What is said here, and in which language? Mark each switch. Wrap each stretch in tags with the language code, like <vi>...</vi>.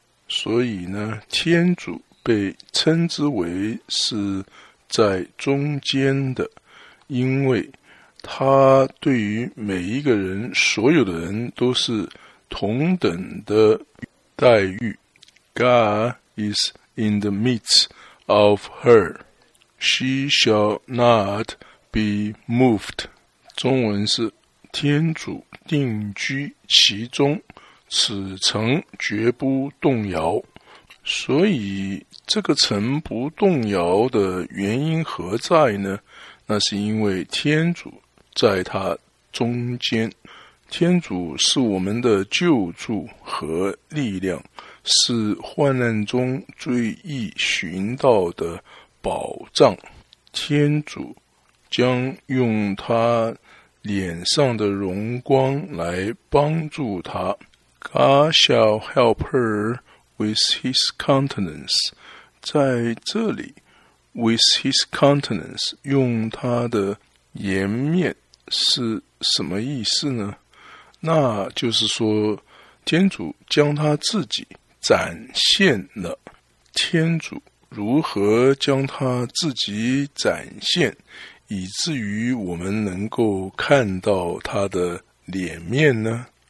<zh>所以呢，天主被称之为是在中间的，因为他对于每一个人，所有的人都是同等的待遇。</zh> <en>God is in the midst of her, she shall not be moved。</en> <zh>中文是天主定居其中，此城绝不动摇。所以这个城不动摇的原因何在呢？那是因为天主在它中间，天主是我们的救助和力量，是患难中最易寻到的宝藏。天主将用他脸上的荣光来帮助他。</zh> <en>God shall help her with his countenance。</en> <zh>在这里</zh> <en>with his countenance</en> <zh>用他的颜面是什么意思呢？那就是说天主将他自己展现了。天主如何将他自己展现，以至于我们能够看到他的脸面呢？</zh>